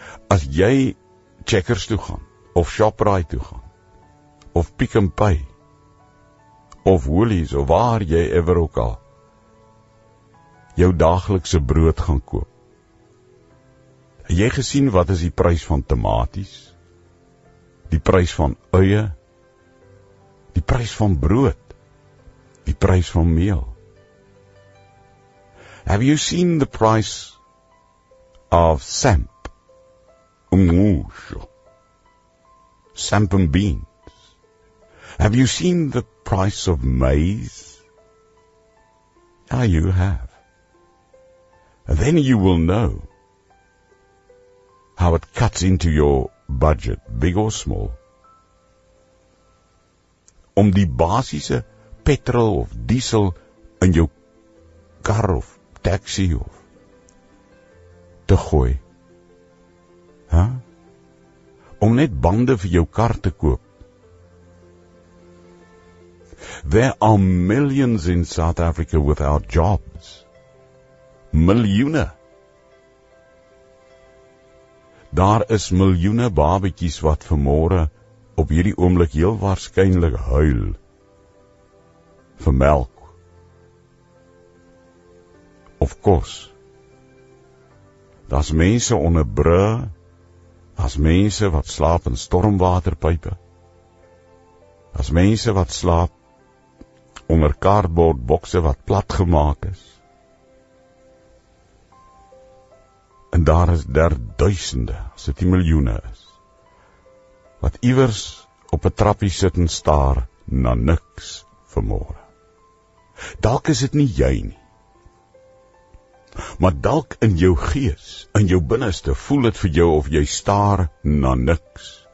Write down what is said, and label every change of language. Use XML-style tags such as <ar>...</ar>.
<af>as jy Checkers toe gaan, of Shoprite toe gaan, of Pick n Pay, of Woolies, of waar jy ever ook al, jou dagelikse brood gaan koop. Het jy gesien wat is die prys van tomaties, die prys van uie, die prys van brood, die prys van meel?</af> <en>Have you seen the price of samp? Umusho. Samp and beans. Have you seen the price of maize? Ah, you have. Then you will know how it cuts into your budget, big or small.</en> <af>Om die basiese petrol of diesel in jou kar of taxi of te gooi. Huh? Om net bande vir jou kar te koop.</af> <en>There are millions in South Africa without jobs.</en> <af>Miljoene. Daar is miljoene babetjies wat vanmôre op hierdie oomblik heel waarskynlik huil vir melk of kos. Daar's mense onder bru, daar's mense wat slaap in stormwaterpype, daar's mense wat slaap onder kaartbordbokse wat plat gemaak is. En daar is daar duisende, as dit nie miljoene is, wat iewers op 'n trappie sit en staar na niks vanmôre. Dalk is dit nie jy nie. Maar dalk in jou gees, in jou binneste, voel dit vir jou of jy staar na niks.</af>